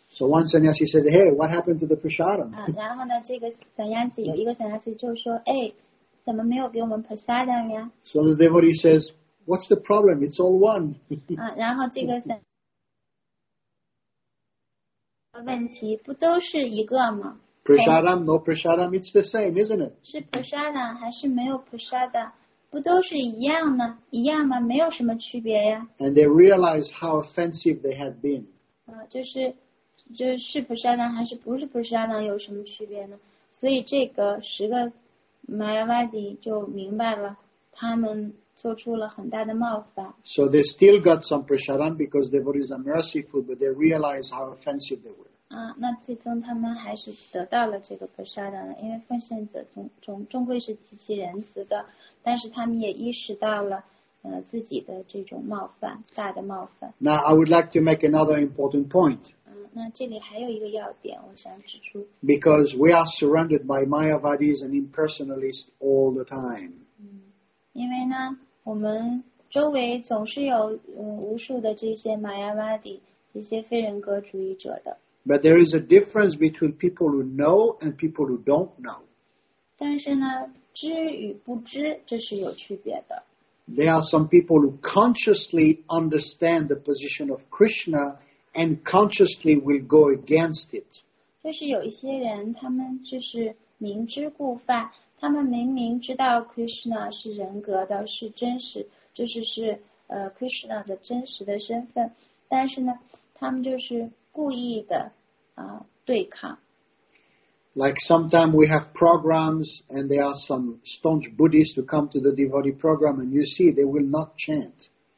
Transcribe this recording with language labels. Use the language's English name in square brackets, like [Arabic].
[English] So one sannyasi said, hey, what happened to the prasadam? [Chinese] 然后呢，这个 sannyasi 有一个 sannyasi 就说，哎，怎么没有给我们 prasadam 呀？ [English] So the devotee says, what's the problem? It's all one. [Chinese] 然后这个 sannyasi 问题不都是一个吗？ [English] Prasadam, no prasadam, it's the same, isn't it? [Chinese] 是 prasadam 还是没有 prasadam? 不都是一样吗？没有什么区别呀。 [English] And they realized how offensive they had been. [Chinese] 就是普沙当还是不是普沙当有什么区别呢？所以这个十个 Mayavadi 就明白了，他们做出了很大的冒犯。 [English] So they still got some prasadam because devotees are merciful, but they realize how offensive they were. [Chinese] 那最终他们还是得到了这个普沙当了，因为奉献者终归是极其仁慈的，但是他们也意识到了。自己的这种冒犯，大的冒犯。 [English] Now I would like to make another important point. [Chinese] 那这里还有一个要点我想指出。 [English] Because we are surrounded by Mayavadis and impersonalists all the time. [Chinese] 嗯，因为呢，我们周围总是有无数的这些 Mayavadi， 这些非人格主义者的。 [English] But there is a difference between people who know and people who don't know. [Chinese] 但是呢，知与不知这是有区别的。 [English] There are some people who consciously understand the position of Krishna and consciously will go against it. [Chinese] 就是有一些人，他们就是明知故犯，他们明明知道 Krishna 是人格的，是真实，就是是Krishna 的真实的身份，但是呢，他们就是故意的对抗。 [English] Like sometimes we have programs and there are some staunch Buddhists who come to the devotee program and you see they will not chant.